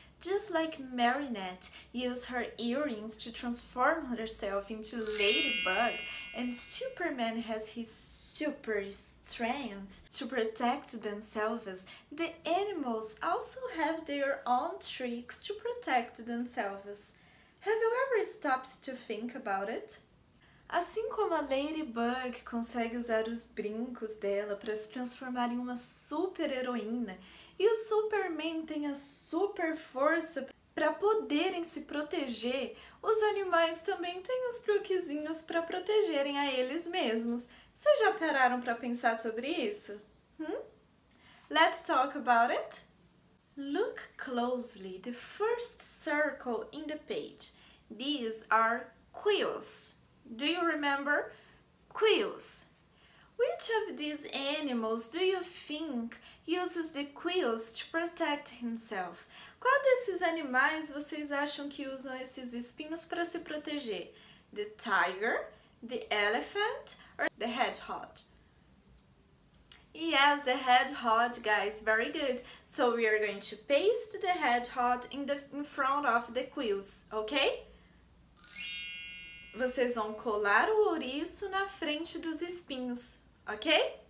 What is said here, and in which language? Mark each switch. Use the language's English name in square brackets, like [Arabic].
[English] Just like Marinette used her earrings to transform herself into Ladybug, and Superman has his super strength to protect themselves, the animals also have their own tricks to protect themselves. Have you ever stopped to think about it? [Portuguese] Assim como a Ladybug consegue usar os brincos dela para se transformar em uma super heroína, e o Superman tem a super força para poderem se proteger, os animais também têm os truquezinhos para protegerem a eles mesmos. Vocês já pararam para pensar sobre isso? [English] Let's talk about it. Look closely the first circle in the page. These are quills. Do you remember? Quills. Which of these animals do you think uses the quills to protect himself? [Portuguese] Qual desses animais vocês acham que usam esses espinhos para se proteger? [English] The tiger, the elephant, or the hedgehog? Yes, the hedgehog, guys. Very good. So we are going to paste the hedgehog in front of the quills, okay? [Portuguese] Vocês vão colar o ouriço na frente dos espinhos, ok?